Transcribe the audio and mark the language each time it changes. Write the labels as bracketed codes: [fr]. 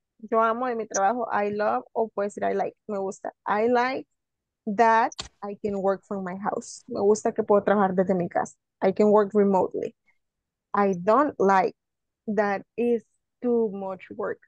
[es] Yo amo en mi trabajo, [en] I love, [es] o puedo decir [en] I like, [es] me gusta. [en] I like that I can work from my house. [es] Me gusta que puedo trabajar desde mi casa. [en] I can work remotely. I don't like that is too much work.